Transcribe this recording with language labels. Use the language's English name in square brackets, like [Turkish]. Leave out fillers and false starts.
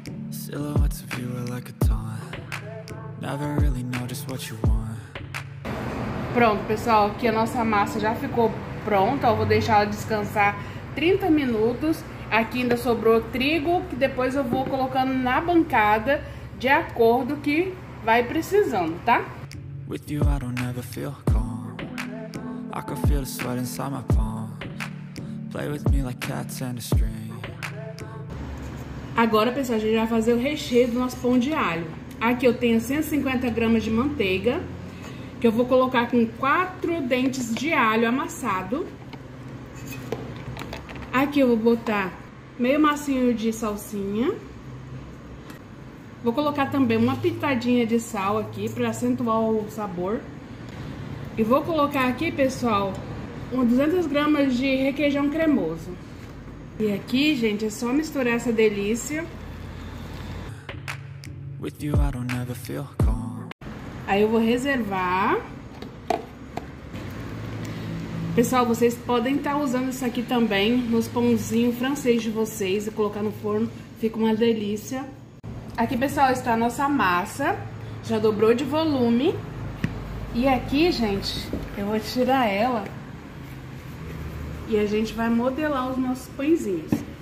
[English] Silhouettes of you are like a taunt. Never really know just what you want. [Portuguese] Pronto, pessoal, aqui a nossa massa já ficou pronta. Eu vou deixar ela descansar 30 minutos. Aqui ainda sobrou trigo, que depois eu vou colocando na bancada de acordo que vai precisando, tá? [English] With you, I don't ever feel calm. I can feel the sweat inside my palms. Play with me like cats and a string. [Portuguese] Agora, pessoal, a gente vai fazer o recheio do nosso pão de alho. Aqui eu tenho 150 gramas de manteiga, que eu vou colocar com 4 dentes de alho amassado. Aqui eu vou botar meio macinho de salsinha. Vou colocar também uma pitadinha de sal aqui para acentuar o sabor. E vou colocar aqui, pessoal, 200 gramas de requeijão cremoso. E aqui, gente, é só misturar essa delícia. [English] With you, I don't ever feel calm. [Portuguese] Aí eu vou reservar. Pessoal, vocês podem estar usando isso aqui também nos pãozinhos francês de vocês e colocar no forno. Fica uma delícia. Aqui, pessoal, está a nossa massa. Já dobrou de volume. E aqui, gente, eu vou tirar ela e a gente vai modelar os nossos pãezinhos.